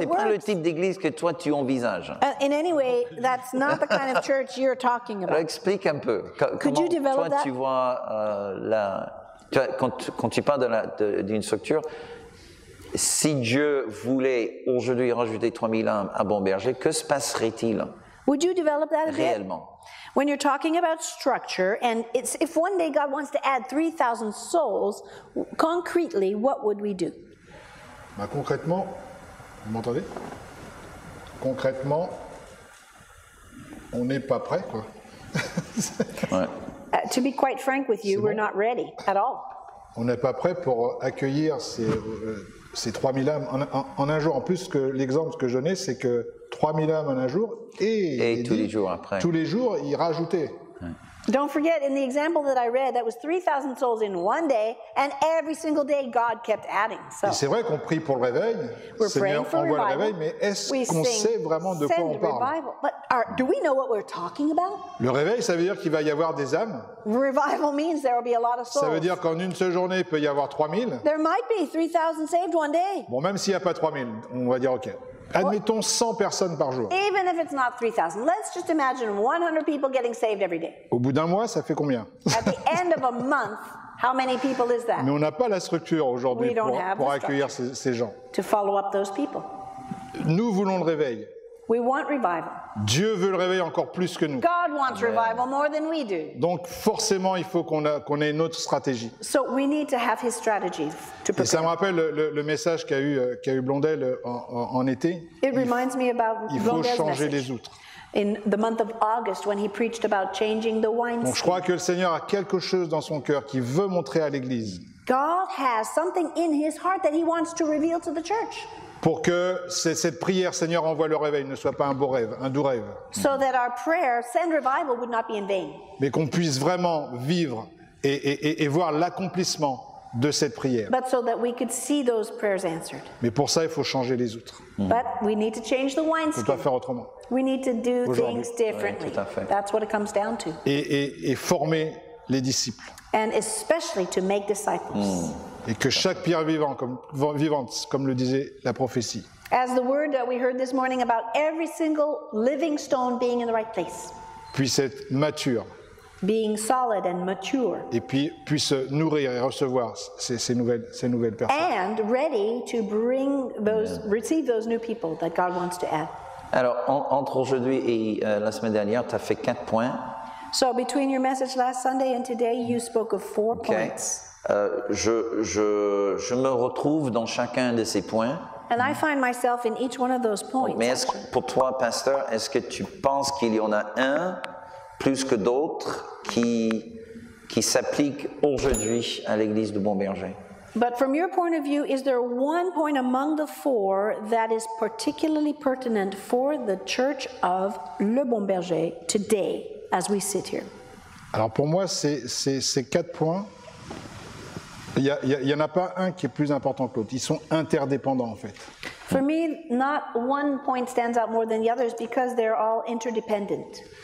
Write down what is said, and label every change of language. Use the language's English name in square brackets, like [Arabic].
[French] C'est pas le type d'église que toi tu envisages. [English] In any way, that's not the kind of church you're talking about. [French] Alors, explique un peu. [English] Could you develop that? [French] Comment toi tu vois la quand tu parles d'une structure, si Dieu voulait aujourd'hui rajouter 3000 âmes à Bon Berger, que se passerait-il? [English] Would you develop that a [French] réellement? [English] Bit? When you're talking about structure, and it's, if one day God wants to add 3000 souls, concretely, what would we do? [French] Bah, concrètement, vous m'entendez? Concrètement, on n'est pas prêt, quoi. Ouais. [English] To be quite frank with you, we're not ready at all. [French] On n'est pas prêt pour accueillir ces 3000 âmes en un jour. En plus, que l'exemple que je donnais, c'est que 3000 âmes en un jour et tous les jours après. Tous les jours, ils rajoutaient. [English] Don't forget, in the example that I read, that was 3,000 souls in one day, and every single day God kept adding. So, [French] c'est vrai qu'on prie pour le réveil, on voit le réveil, mais est-ce qu'on sait vraiment de quoi on parle? [English] Revival. But do we know what we're talking about? [French] Le réveil, ça veut dire qu'il va y avoir des âmes. [English] Revival means there will be a lot of souls. [French] Ça veut dire qu'en une seule journée, il peut y avoir 3000. [English] There might be 3,000 saved one day. [French] Bon, même s'il n'y a pas 3000, on va dire OK. Admettons 100 personnes par jour. [English] Even if it's not 3000, let's just imagine 100 people getting saved every day. [French] Au bout d'un mois, ça fait combien? [English] At the end of a month, how many people is that? [French] Mais on n'a pas la structure aujourd'hui pour accueillir ces gens. [English] To follow up those people. [French] Nous voulons le réveil. [English] We want revival. [French] Dieu veut le réveil encore plus que nous. [English] God wants revival more than we do. [French] Donc forcément, il faut qu'on ait une autre stratégie. [English] So we need to have his strategy to prepare. [French] Et ça me rappelle le message qu'a eu Blondel en été. [English] It reminds me about Blondel's message. [French] Il faut changer les outres. [English] In the month of August, when he preached about changing the wine. [French] Donc je crois que le Seigneur a quelque chose dans son cœur qu'il veut montrer à l'Église. [English] God has something in his heart that he wants to reveal to the church. [French] Pour que cette prière, Seigneur, envoie le réveil, ne soit pas un beau rêve, un doux rêve. [English] So that our prayer, send revival, would not be in vain. [French] Mais qu'on puisse vraiment vivre et voir l'accomplissement de cette prière. [English] But so that we could see those prayers answered. [French] Mais pour ça, il faut changer les outres. Mm. [English] But we need to change the wine skin. [French] On doit faire autrement. [English] We need to do things differently. [French] Oui, tout à fait. [English] That's what it comes down to. [French] Et former les disciples. [English] And especially to make disciples. Mm. [French] Et que chaque pierre vivante, comme le disait la prophétie. [English] As the word that we heard this morning about every single living stone being in the right place. [French] Puisse être mature. [English] Being solid and mature. [French] Et puis puisse nourrir et recevoir ces nouvelles personnes. [English] And ready to bring those, receive those new people that God wants to add. [French] Alors entre aujourd'hui et la semaine dernière, tu as fait 4 points. [English] So between your message last Sunday and today, you spoke of 4 points. [French] Je me retrouve dans chacun de ces points. [English] And I find myself in each one of those points. [French] Mais est-ce que pour toi, pasteur, est-ce que tu penses qu'il y en a un plus que d'autres qui s'applique aujourd'hui à l'église de Bon Berger? [English] But from your point of view, is there one point among the four that is particularly pertinent for the church of Le Bon Berger today as we sit here? [French] Alors pour moi, c'est 4 points. Il n'y en a pas un qui est plus important que l'autre. Ils sont interdépendants, en fait. [English] For me, not one point stands out more than the others because they're all interdependent.